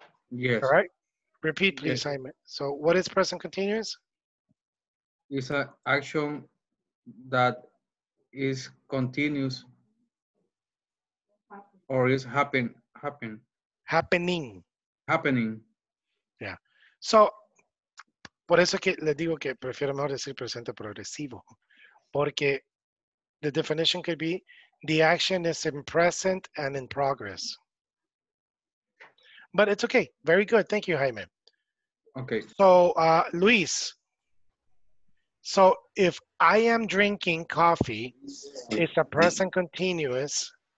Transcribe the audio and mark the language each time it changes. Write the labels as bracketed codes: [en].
[en] Yes. All right. Repeat, please, yes. Simon. So what is present continuous? It's an action that is continuous or is happening. Happening. Yeah. [es] So, por eso que le digo que prefiero mejor decir presente progresivo. Porque [en] the definition could be the action is in present and in progress. But it's okay. Very good. Thank you, Jaime. Okay. So, Luis, so if I am drinking coffee, it's a present continuous.